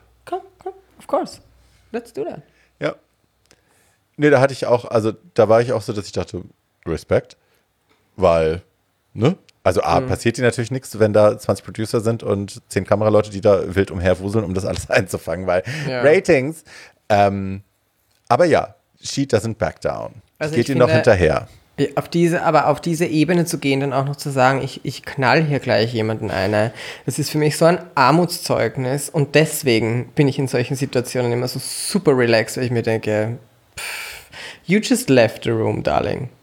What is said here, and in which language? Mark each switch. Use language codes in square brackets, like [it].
[en] Come, of course. Let's do that. [de] Ja. Nee, da hatte ich auch, also da war ich auch so, dass ich dachte, Respekt. Weil, ne? Also A, passiert dir natürlich nichts, wenn da 20 Producer sind und 10 Kameraleute, die da wild umherwuseln, um das alles einzufangen, weil Ratings. Aber ja, [en] she doesn't back down. [de] Also geht ihr noch hinterher. Auf diese Ebene zu gehen, dann auch noch zu sagen, ich knall hier gleich jemanden eine, das ist für mich so ein Armutszeugnis. Und deswegen bin ich in solchen Situationen immer so super relaxed, weil ich mir denke, [en] you just left the room, darling.